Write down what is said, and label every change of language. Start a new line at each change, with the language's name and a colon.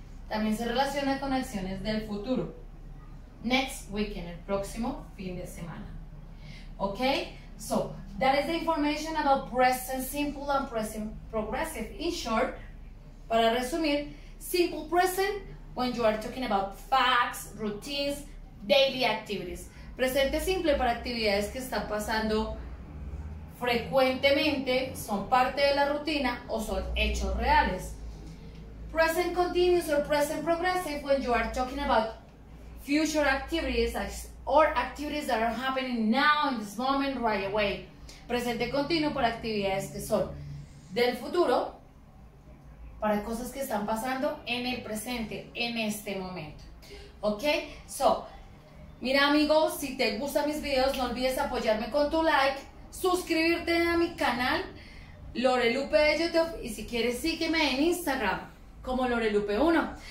Spanish: También se relaciona con acciones del futuro.
English: Next weekend,
Spanish: el próximo fin de semana.
English: Okay, so that is the information about present simple and present progressive. In short,
Spanish: para resumir,
English: simple present when you are talking about facts, routines, daily activities.
Spanish: Presente simple para actividades que están pasando frecuentemente, son parte de la rutina o son hechos reales.
English: Present continuous or present progressive when you are talking about future activities or activities that are happening now in this moment right away.
Spanish: Presente continuo para actividades que son del futuro, para cosas que están pasando en el presente, en este momento. Ok, so, mira amigos, si te gustan mis videos, no olvides apoyarme con tu like, suscribirte a mi canal, Lore Lupe de YouTube, y si quieres sígueme en Instagram como Lore Lupe 1.